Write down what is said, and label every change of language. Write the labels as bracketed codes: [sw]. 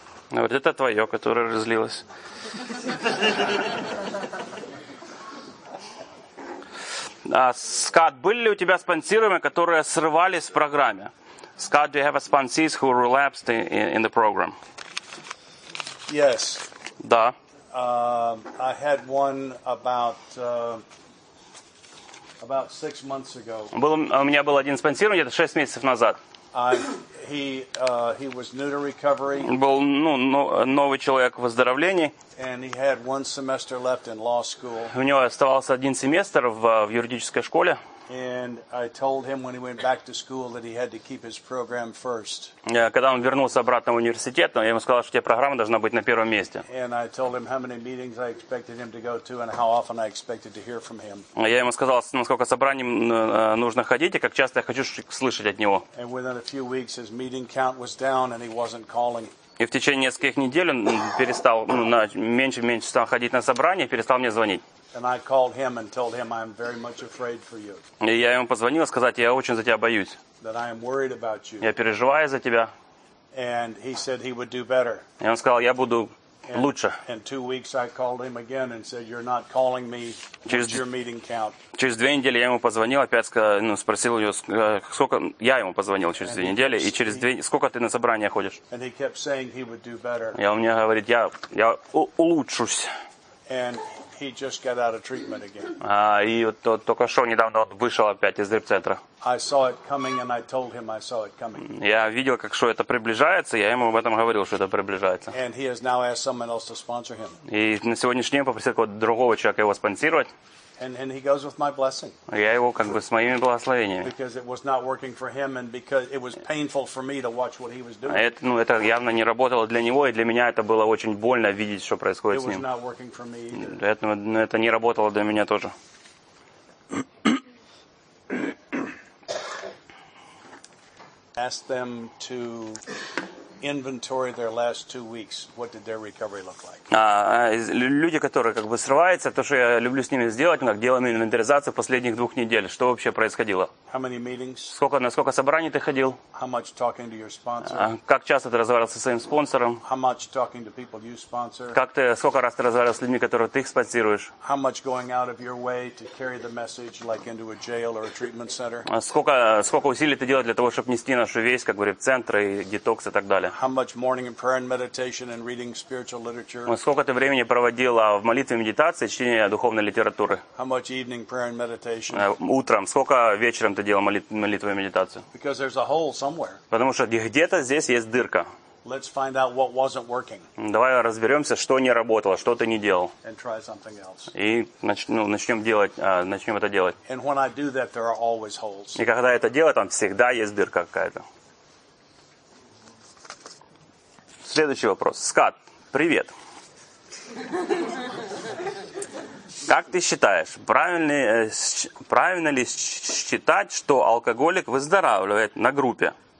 [ru] Вот это твое, которое разлилось. Скат, были ли у тебя спонсируемые, которые срывались в программе? [en] Скат, do you have a sponsees who relapsed in the program? Yes. [ru] Да. [en] I had one about 6 months ago. [ru] У меня был один спонсируемый где-то 6 месяцев назад. [en] He was new to recovery. [ru] Был новый человек в выздоровлении. [en] And he had one semester left in law school. [ru] У него оставался один семестр в юридической школе. [en] And I told him when he went back to school that he had to keep his program first. [ru] Когда он вернулся обратно в университет, я ему сказал, что тебе программа должна быть на первом месте. [en] And I told him how many meetings I expected him to go to and how often I expected to hear from him. [ru] Я ему сказал, на сколько собраний нужно ходить и как часто я хочу слышать от него. [en] And within a few weeks his meeting count was down and he wasn't calling. [ru] И в течение нескольких недель он перестал, меньше стал ходить на собрания, перестал мне звонить. [en] And I called him and told him I'm very much afraid for you. [ru] И я ему позвонил, сказать, я очень за тебя боюсь. [en] That I am worried about you. [ru] Я переживаю за тебя. [en] And he said he would do better. [ru] И он сказал, я буду лучше. [en] And 2 weeks I called him again and said, you're not calling me. What's your meeting count? [ru] Через 2 недели я ему позвонил, опять спросил у него, сколько я ему позвонил через 2 недели, и через сколько ты на собрания ходишь? [en] And he kept saying he would do better. [ru] И он мне говорит, я улучшусь. [en] And he just got out of treatment again. [ru] И вот только что недавно он вышел опять из реабцентра. [en] I saw it coming and I told him I saw it coming. [ru] Я видел, как что это приближается, я ему об этом говорил, что это приближается. [en] And he has now asked someone else to sponsor him. [ru] И на сегодняшний день попросил кого-то другого человека его спонсировать. [en] And he goes with my blessing. [ru] Я его как бы с моими благословениями. [en] Because it was not working for him and because it was painful for me to watch what he was doing. [ru] Это явно не работало для него, и для меня это было очень больно видеть, что происходит с ним. [en] It was not working for me. [ru] Это не работало для меня тоже. [en] Ask them to inventory their last 2 weeks. What did their recovery look like? [ru] Люди, которые как бы срываются, то, что я люблю с ними сделать, мы делаем инвентаризацию последних 2 недель. Что вообще происходило? [en] How many meetings? [ru] На сколько собраний ты ходил? [en] How much talking to your sponsor? [ru] Как часто ты разговаривал со своим спонсором? [en] How much talking to people you sponsor? [ru] Сколько раз ты разговаривал с людьми, которых ты спонсируешь? [en] How much going out of your way to carry the message like into a jail or a treatment center? [ru] Сколько усилий ты делаешь для того, чтобы нести нашу весть, как говорят, центры и детокс и так далее? [en] How much morning and prayer and meditation and reading spiritual literature? [ru] Сколько ты времени проводила в молитве, медитации, чтении духовной литературы? [en] How much evening prayer and meditation? [ru] Утром. Сколько вечером ты делал молитву и медитацию? [en] Because there's a hole somewhere. [ru] Потому что где-то здесь есть дырка. [en] Let's find out what wasn't working. [ru] Давай разберемся, что не работало, что ты не делал. [en] And try something else. [ru] И начнем это делать. [en] And when I do that, there are always holes. [ru] И когда это делаю, там всегда есть дырка какая-то. Следующий вопрос. Скат, привет. Как ты считаешь, правильно ли считать, что алкоголик выздоравливает на группе?